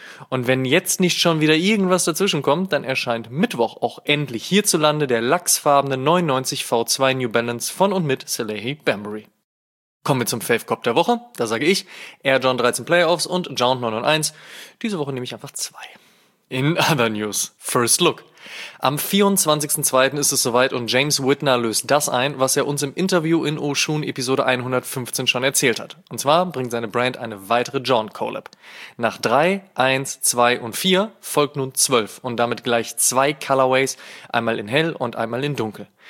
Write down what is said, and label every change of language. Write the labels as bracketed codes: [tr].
[de] Und wenn jetzt nicht schon wieder irgendwas dazwischen kommt, dann erscheint Mittwoch auch endlich hierzulande der lachsfarbene 99 V2 New Balance von und mit Salehe Bembury. Kommen wir zum Fave-Cop der Woche. Da sage ich Air Jordan 13 Playoffs und Jound 991. Diese Woche nehme ich einfach zwei. [en] In other news, first look. [de] Am 24.02. ist es soweit und James Whitner löst das ein, was er uns im Interview in O-Shoon Episode 115 schon erzählt hat. Und zwar bringt seine Brand eine weitere Jordan Collab. Nach 3, 1, 2 und 4 folgt nun 12 und damit gleich zwei Colorways, einmal in hell und einmal in dunkel.